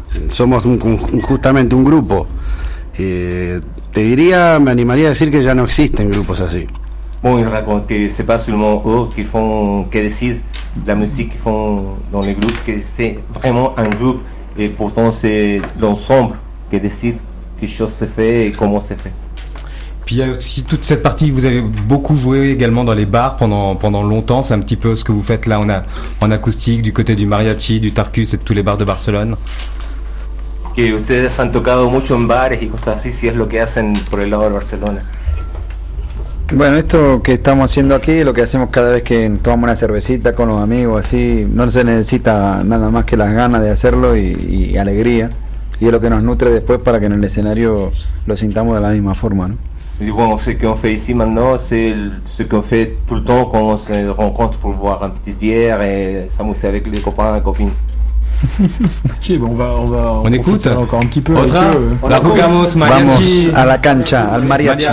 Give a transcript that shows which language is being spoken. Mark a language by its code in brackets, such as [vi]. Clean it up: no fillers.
[es] Somos justamente un grupo. Te diría, me animaría a decir que ya no existen grupos así. [fr] Bueno, yo raconte que ce n'est pas seulement eux qui deciden la musique qu'ils font dans les groupes, que c'est vraiment un groupe, et pourtant c'est l'ensemble qui decide qué chose se fait et comment se fait. Puis il y a aussi toute cette partie, vous avez beaucoup joué également dans les bars pendant longtemps, c'est un petit peu ce que vous faites là en acoustique, du côté du mariachi, du tarcus et de tous les bars de Barcelone. [es] Que ustedes han tocado mucho en bares y cosas así, si es lo que hacen por el lado de Barcelona. Bueno, esto que estamos haciendo aquí, lo que hacemos cada vez que tomamos una cervecita con los amigos, así, no se necesita nada más que las ganas de hacerlo y alegría, y es lo que nos nutre después para que en el escenario lo sintamos de la misma forma, ¿no? [fr] Bon, ce qu'on fait ici maintenant, c'est ce qu'on fait tout le temps quand on se rencontre pour boire une petite bière et s'amuser avec les copains et copines. Ok, bon, on écoute encore un petit peu. [es] Otra, la jugamos, mariachi. Vamos a la cancha, al mariachi.